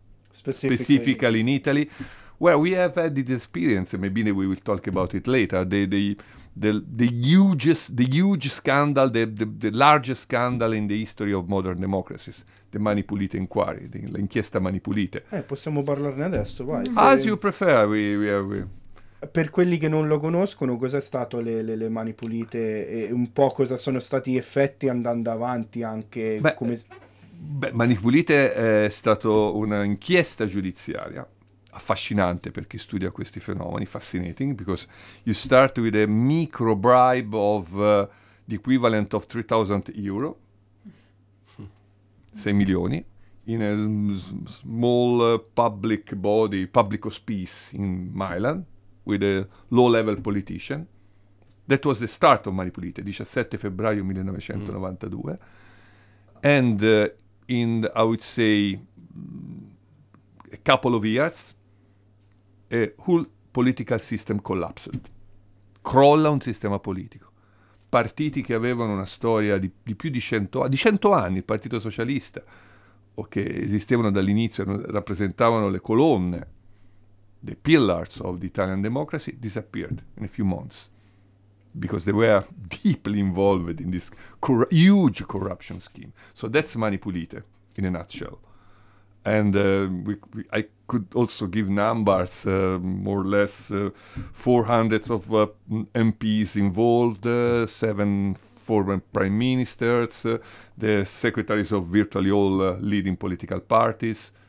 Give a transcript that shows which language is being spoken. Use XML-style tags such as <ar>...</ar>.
<en>Specifically. specifically in Italy, where we have had this experience, and maybe we will talk about it later, the huge scandal, the largest scandal in the history of modern democracies, the Mani Pulite inquiry,</en> <it>l'inchiesta Mani Pulite. Possiamo parlarne adesso, vai.</it> <en>As you</en> <it>Se...</it> <en>prefer, we</en> <it>Per quelli che non lo conoscono, cos'è stato le Mani Pulite e un po' cosa sono stati gli effetti andando avanti anche Beh, come... Mani Pulite è stata un'inchiesta giudiziaria affascinante per chi studia questi fenomeni,</it> <en>fascinating, because you start with a micro bribe of the equivalent of 3,000 euro,</en> <it>6 milioni,</it> <en>in a small public body, public hospice in Milan, with a low-level politician. That was the start of Mani Pulite,</en> <it>17 febbraio 1992.</it> <en>And in, I would say, a couple of years, a whole political system collapsed.</en> <it>Crolla un sistema politico. Partiti che avevano una storia di più di 100 anni, il Partito Socialista, o che esistevano dall'inizio, rappresentavano le colonne,</it> <en>the pillars of the Italian democracy, disappeared in a few months. Because they were deeply involved in this huge corruption scheme. So that's Mani Pulite in a nutshell. And I could also give numbers, more or less 400 of MPs involved, seven former prime ministers, the secretaries of virtually all leading political parties.</en>